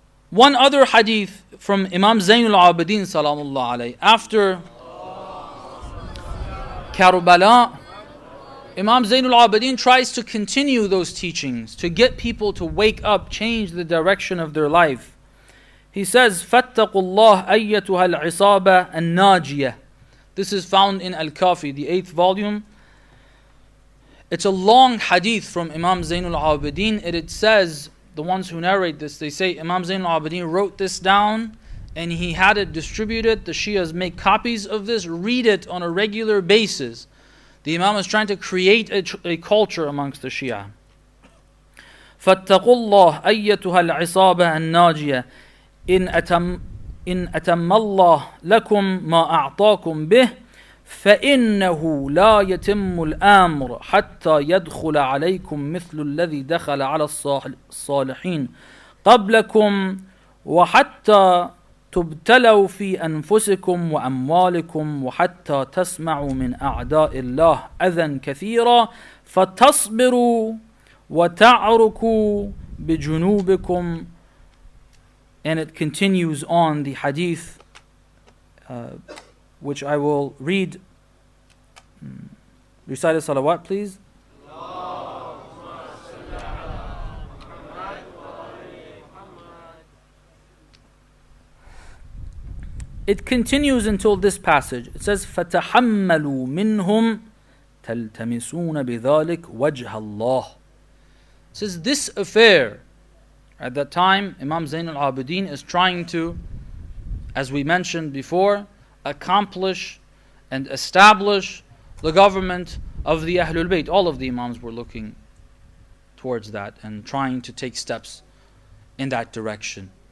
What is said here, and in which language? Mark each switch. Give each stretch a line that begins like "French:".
English: One other hadith from Imam Zainul Abidin Salamullah Alayh. After Karbala, Imam Zainul Abidin tries to continue those teachings to get people to wake up, change the direction of their life. He says,
Arabic: فَاتَّقُوا اللَّهَ أَيَّتُهَا الْعِصَابَةَ النَّاجِيَةِ.
English: This is found in Al-Kafi, the 8th volume. It's a long hadith from Imam Zainul Abidin. It says, the ones who narrate this, they say Imam Zainul Abidin wrote this down and he had it distributed. The Shias make copies of this, read it on a regular basis. The Imam is trying to create a culture amongst the Shia.
Arabic: فَاتَّقُوا اللَّهَ أَيَّتُهَا الْعِصَابَةَ النَّاجِيَةِ إِنْ أَتَمَّ اللَّهَ لَكُمْ مَا أَعْطَاكُمْ بِهِ فَإِنَّهُ لَا يَتِمُّ الْآمُرَ حَتَّى يَدْخُلَ عَلَيْكُمْ مِثْلُ الَّذِي دَخَلَ عَلَى الصَّالِحِينَ قَبْلَكُمْ وَحَتَّى تبتلوا في أنفسكم وأموالكم وحتى تسمعوا من أعداء الله أذى كثيرا فتصبروا وتعركوا بجنوبكم.
English: And it continues on the hadith, which I will read. Recite a salawat, please. It continues until this passage. It says,
Arabic: فَتَحَمَّلُوا مِنْهُمْ تَلْتَمِسُونَ بِذَلِكَ وَجْهَ اللَّهِ.
English: It says, this affair, at that time, Imam Zain al-Abidin is trying to, as we mentioned before, accomplish and establish the government of the Ahlul Bayt. All of the Imams were looking towards that and trying to take steps in that direction.